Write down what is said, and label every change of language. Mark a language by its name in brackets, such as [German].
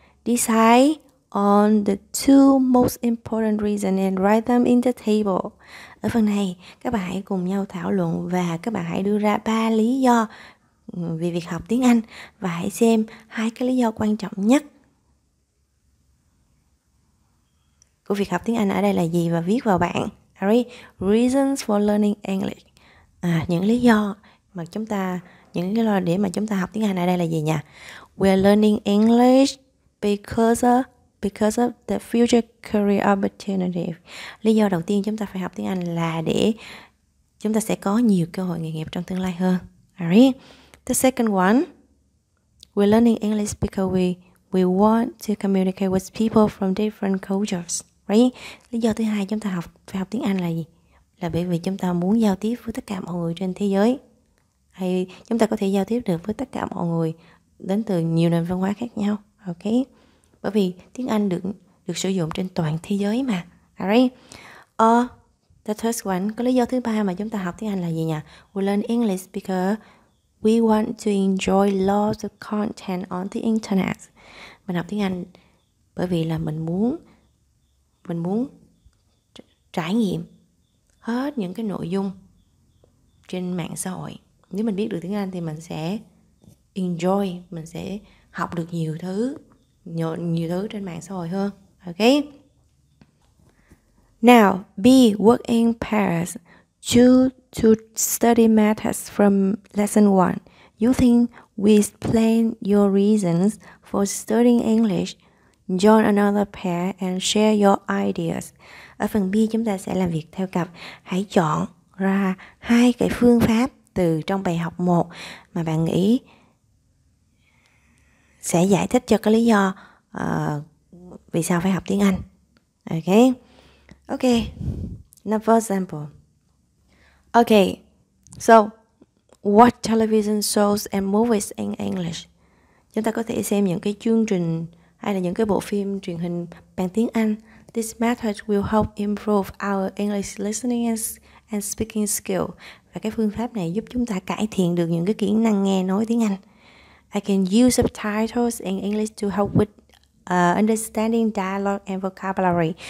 [English] Decide on the 2 most important reasons and write them in the table. [Vietnamese] Ở phần này, các bạn hãy cùng nhau thảo luận và các bạn hãy đưa ra 3 lý do vì việc học tiếng Anh và hãy xem hai cái lý do quan trọng nhất của việc học tiếng Anh ở đây là gì và viết vào bảng. [English] Alright, reasons for learning English. [Vietnamese] Những lý do mà chúng ta, những cái lo điểm mà chúng ta học tiếng Anh ở đây là gì nhỉ? [English] We're learning English because of the future career opportunity. [Vietnamese] Lý do đầu tiên chúng ta phải học tiếng Anh là để chúng ta sẽ có nhiều cơ hội nghề nghiệp trong tương lai hơn. [English] Alright. The second one, we're learning English because we want to communicate with people from different cultures. Right? [Vietnamese] Lý do thứ hai chúng ta phải học tiếng Anh là gì? Là bởi vì chúng ta muốn giao tiếp với tất cả mọi người trên thế giới. Hay chúng ta có thể giao tiếp được với tất cả mọi người đến từ nhiều nền văn hóa khác nhau. Ok? Bởi vì tiếng Anh được sử dụng trên toàn thế giới mà. [English] Alright? Or, the third one, [Vietnamese] có lý do thứ ba mà chúng ta học tiếng Anh là gì nhỉ? [English] We learn English because we want to enjoy lots of content on the internet. [Vietnamese] Mình học tiếng Anh bởi vì là mình muốn trải nghiệm hết những cái nội dung trên mạng xã hội. Nếu mình biết được tiếng Anh thì mình sẽ enjoy, mình sẽ học được nhiều thứ trên mạng xã hội hơn. [English] Ok? Now, B. Work in pairs. Choose to study matters from lesson 1. You think we explain your reasons for studying English. Join another pair and share your ideas. [Vietnamese] Ở phần B chúng ta sẽ làm việc theo cặp. Hãy chọn ra hai cái phương pháp từ trong bài học 1 mà bạn nghĩ sẽ giải thích cho cái lý do vì sao phải học tiếng Anh. [English] Okay. Now for example. Okay. So, watch television shows and movies in English. [Vietnamese] Chúng ta có thể xem những cái chương trình hay là những cái bộ phim truyền hình bằng tiếng Anh. [English] This method will help improve our English listening and speaking skill. [Vietnamese] Và cái phương pháp này giúp chúng ta cải thiện được những cái kỹ năng nghe nói tiếng Anh. [English] I can use subtitles in English to help with understanding dialogue and vocabulary.